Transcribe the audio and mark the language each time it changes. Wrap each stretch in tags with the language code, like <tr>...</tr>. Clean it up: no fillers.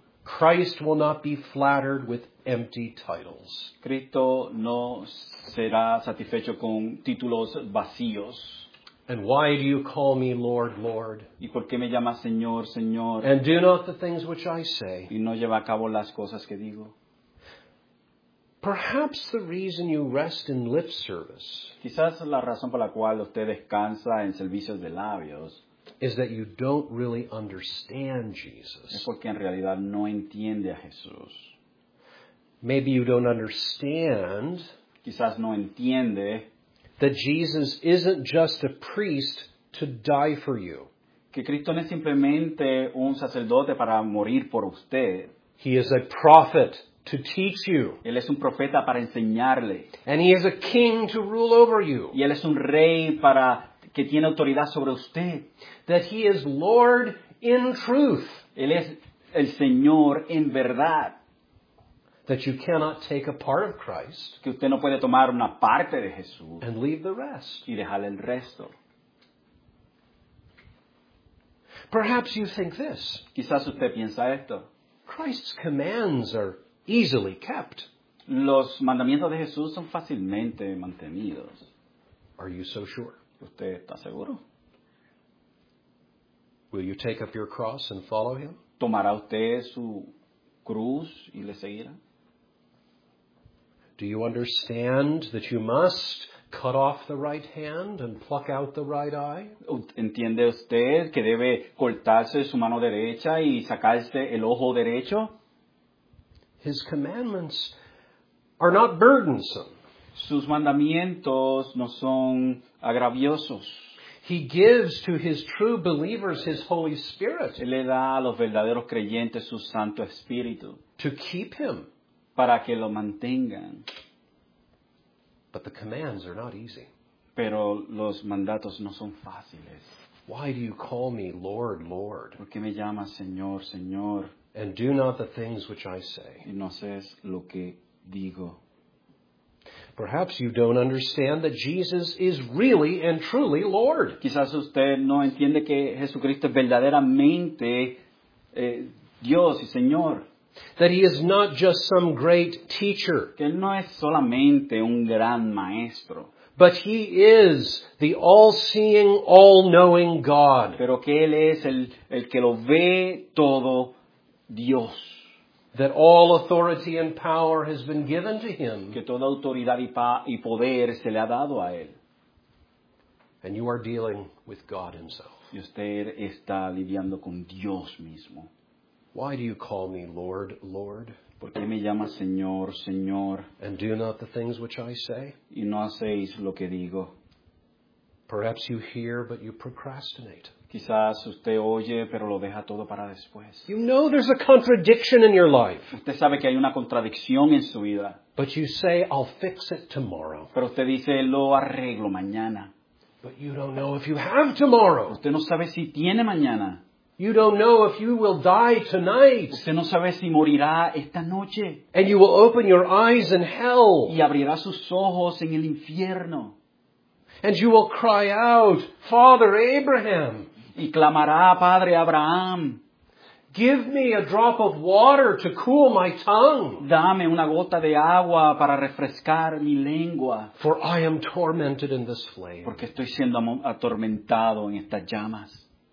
<en>Christ will not be flattered with empty titles.</en> <es>Cristo no será satisfecho con títulos vacíos.</es> <en>And why do you call me Lord, Lord?</en> <es>¿Y por qué me llamas Señor, Señor?</es> <en>And do not the things which I say.</en> <es>Y no lleva a cabo las cosas que digo.</es> <en>Perhaps the reason you rest in lip service.</en> <es>Quizás la razón por la cual usted descansa en servicios de labios</es> <en>is that you don't really understand Jesus.</en> <es>Es porque en realidad no entiende a Jesús.</es> <en>Maybe you don't understand.</en> <es>Quizás no entiende</es> <en>that Jesus isn't just a priest to die for you.</en> <es>Que Cristo no es simplemente un sacerdote para morir por usted.</es> <en>He is a prophet to teach you.</en> <es>Él es un profeta para enseñarle.</es> <en>And he is a king to rule over you.</en> <es>Y él es un rey para que tiene autoridad sobre usted.</es> <en>That he is Lord in truth.</en> <es>Él es el Señor en verdad.</es> <en>That you cannot take a part of Christ.</en> <es>Que usted no puede tomar una parte de Jesús.</es> <en>And leave the rest.</en> <es>Y dejar el resto.</es> <en>Perhaps you think this.</en> <es>Quizás usted piensa esto.</es> <en>Christ's commands are easily kept.</en> <es>Los mandamientos de Jesús son fácilmente mantenidos.</es> <en>Are you so sure?</en> <es>¿Usted está seguro?</es> <en>Will you take up your cross and follow him?</en> <es>¿Tomará usted su cruz y le seguirá?</es> <en>Do you understand that you must cut off the right hand and pluck out the right eye?</en> <es>¿Entiende usted que debe cortarse su mano derecha y sacarse el ojo derecho?</es> <en>His commandments are not burdensome.</en> <es>Sus mandamientos no son agraviosos.</es> <en>He gives to his true believers his Holy Spirit.</en> <es>Él le da a los verdaderos creyentes su Santo Espíritu.</es> <en>To keep him.</en> <es>Para que lo mantengan.</es> <en>But the commands are not easy.</en> <es>Pero los mandatos no son fáciles.</es> <en>Why do you call me Lord, Lord?</en> <es>¿Por qué me llamas Señor, Señor?</es> <en>And do not the things which I say.</en> <es>Y no haces lo que digo.</es> <en>Perhaps you don't understand that Jesus is really and truly Lord.</en> <es>Quizás usted no entiende que Jesucristo es verdaderamente Dios y Señor.</es> <en>That he is not just some great teacher.</en> <es>Que él no es solamente un gran maestro.</es> <en>But he is the all-seeing, all-knowing God.</en> <es>Pero que él es el que lo ve todo Dios.</es> <en>That all authority and power has been given to him.</en> <es>Que toda autoridad y poder se le ha dado a él.</es> <en>And you are dealing with God himself.</en> <es>Y usted está lidiando con Dios mismo.</es> <en>Why do you call me Lord, Lord?</en> <es>¿Por qué me llamas Señor, Señor?</es> <en>And do not the things which I say?</en> <es>Y no hacéis lo que digo.</es> <en>Perhaps you hear, but you procrastinate.</en> <es>Quizás usted oye, pero lo deja todo para después.</es> <en>You know there's a contradiction in your life.</en> <es>Usted sabe que hay una contradicción en su vida.</es> <en>But you say, I'll fix it tomorrow.</en> <es>Pero usted dice, lo arreglo mañana.</es> <en>But you don't know if you have tomorrow.</en> <es>Usted no sabe si tiene mañana.</es> <en>You don't know if you will die tonight.</en> <es>Usted no sabe si morirá esta noche.</es> <en>And you will open your eyes in hell.</en> <es>Y abrirá sus ojos en el infierno.</es> <en>And you will cry out, Father Abraham.</en> <es>Y clamará, Padre Abraham.</es> <en>Give me a drop of water to cool my tongue.</en> <es>Dame una gota de agua para refrescar mi lengua.</es> <en>For I am tormented in this flame.</en> <es>Porque estoy siendo atormentado en estas llamas.</es>